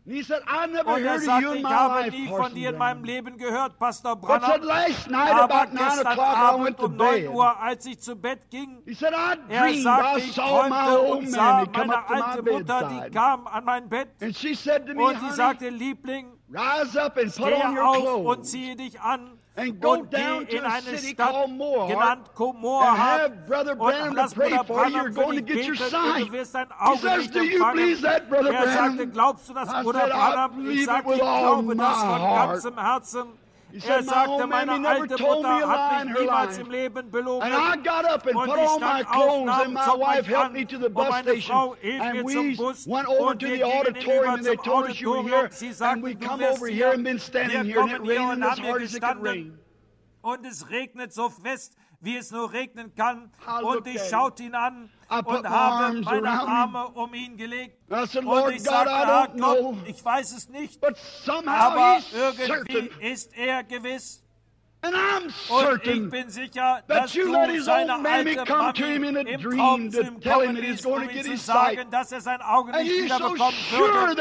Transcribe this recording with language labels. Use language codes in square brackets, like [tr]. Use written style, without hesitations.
[de] Und er sagte, ich habe nie von dir in meinem Leben gehört, Pastor Branham. Aber gestern Abend um 9 Uhr, als ich zu Bett ging, er sagte, ich träumte und sah meine alte Mutter, die kam an mein Bett. Und sie sagte, Liebling, steh auf und ziehe dich an. [en] And go down to a city called Moor and have Brother Branham to pray for you. You're going to get your sight. He says, do you believe that, Brother Branham? I said, I believe it with all my heart. He said, my old mammy never told me a lie in her life. And I got up and put on my clothes and my wife helped me to the bus station. And we went over to the auditorium and they told us you were here. And we come over here and been standing here and it rained as hard as it could rain. [de] Und es regnet so fest, wie es nur regnen kann. Und ich schaute ihn an und habe meine Arme um ihn gelegt. Und ich sagte, Gott, ich weiß es nicht, aber irgendwie ist er gewiss. Und ich bin sicher, dass du seine alte Mami im Traum zu ihm kommen ließ, um ihm zu sagen, dass er sein Auge nicht wiederbekommen würde.